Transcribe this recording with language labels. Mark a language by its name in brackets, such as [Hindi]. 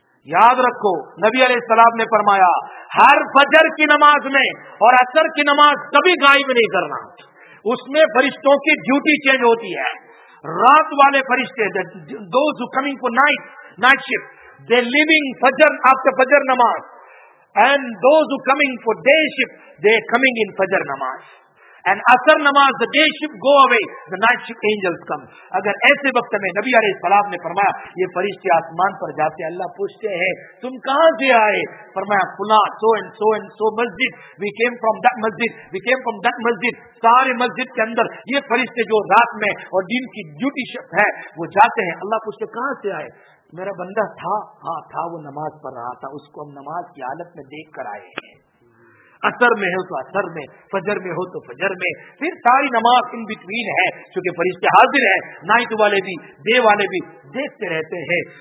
[Urdu] یاد رکھو نبی علیہ السلام نے فرمایا ہر فجر کی نماز میں اور عصر کی نماز کبھی غائب نہیں کرنا، اس میں فرشتوں کی ڈیوٹی چینج ہوتی ہے، رات والے فرشتے [English] those who coming for night shift they living [Urdu] فجر after فجر نماز، [English] and those who coming for day shift they coming in fajr namaz and asr namaz the day ship go away, the night ship angels come. [Urdu] اگر ایسے وقت میں نبی علیہ السلام نے فرمایا یہ فرشتے آسمان پر جاتے ہیں, اللہ پوچھتے ہیں تم کہاں سے آئے, فرمایا فلاں [English] so and so and so [Urdu] Masjid, [English] We came from that مسجد, we came from that مسجد. [Urdu] سارے مسجد کے اندر یہ فرشتے جو رات میں اور دن کی ڈیوٹی شپ ہے وہ جاتے ہیں, اللہ پوچھتے کہاں سے آئے, میرا بندہ تھا, ہاں تھا, وہ نماز پڑھ رہا تھا, اس کو ہم نماز کی حالت میں دیکھ کر آئے ہیں, اثر میں ہو تو اثر میں, فجر میں ہو تو فجر میں, پھر ساری نماز ان بٹوین ہے, چونکہ فرشتے حاضر ہیں, نائٹ والے بھی ڈے والے بھی دیکھتے رہتے ہیں.